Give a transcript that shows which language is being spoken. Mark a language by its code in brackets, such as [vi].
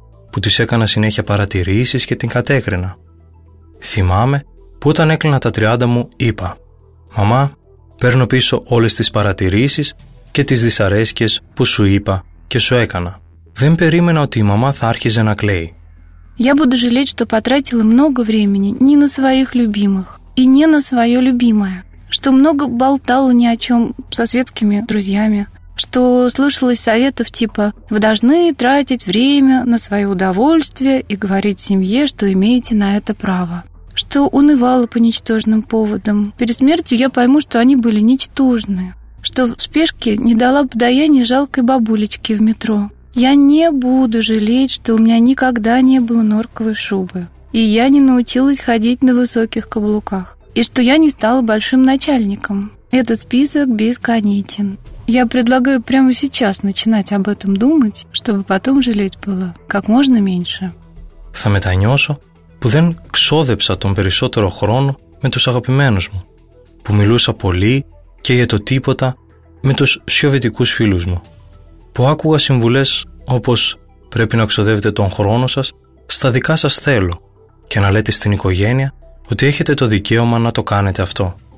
[el] Που της έκανα συνέχεια παρατηρήσεις και την κατέκρινα. Θυμάμαι που όταν έκλεινα τα 30 μου είπα: «Μαμά, παίρνω πίσω όλες τις παρατηρήσεις και τις δυσαρέσκειες που σου είπα και σου έκανα». Δεν περίμενα ότι η μαμά θα άρχιζε να κλαίει. [ru] Я буду жалеть, что потратила много времени не на своих любимых и не на свое любимое, что много болтала ни о чем со светскими друзьями, что слушалась советов типа «Вы должны тратить время на свое удовольствие и говорить семье, что имеете на это право», что унывала по ничтожным поводам. Перед смертью я пойму, что они были ничтожны, что в спешке не дала подаяния жалкой бабулечке в метро. Я не буду жалеть, что у меня никогда не было норковой шубы, и я не научилась ходить на высоких каблуках, и что я не стала большим начальником. Этот список бесконечен. Я предлагаю прямо сейчас начинать об этом думать, чтобы потом жалеть было как можно меньше. [el] Θα μετανιώσω που δεν ξόδεψα τον περισσότερο χρόνο με τους αγαπημένους μου, που μιλούσα πολύ και για το τίποτα με τους σιωβητικούς φίλους μου. Που άκουγα συμβουλές όπως «πρέπει να ξοδεύετε τον χρόνο σας στα δικά σας θέλω» και να λέτε στην οικογένεια ότι έχετε το δικαίωμα να το κάνετε αυτό.